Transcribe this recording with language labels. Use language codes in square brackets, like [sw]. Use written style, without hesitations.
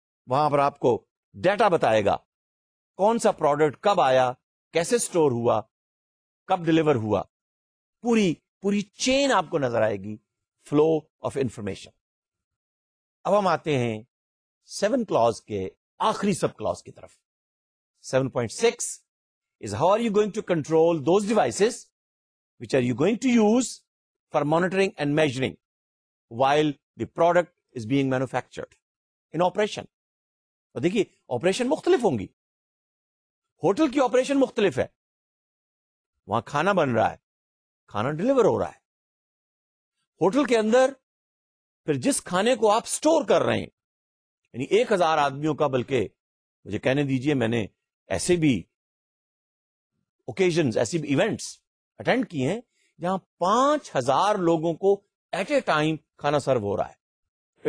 [ur] وہاں پر آپ کو ڈیٹا بتائے گا کون سا پروڈکٹ کب آیا, کیسے سٹور ہوا, کب ڈلیور ہوا, پوری چین آپ کو نظر آئے گی, فلو آف انفارمیشن. اب ہم آتے ہیں 7 کلاز کے آخری سب کلاز کی طرف. [en] 7.6 is how are you going to control those devices which are you going to use for monitoring and measuring while the product is being manufactured in operation. [ur] دیکھیے operation مختلف ہوں گی, ہوٹل کی operation مختلف ہے، وہاں کھانا بن رہا ہے، کھانا ڈلیور ہو رہا ہے، ہوٹل کے اندر پھر جس کھانے کو آپ سٹور کر رہے ہیں، یعنی 1000 آدمیوں کا، بلکہ مجھے کہنے دیجئے، میں نے ایسے بھی اوکیزنز، ایسی بھی ایونٹس اٹینڈ کیے ہیں جہاں 5000 لوگوں کو ایٹ اے ٹائم کھانا سرو ہو رہا ہے.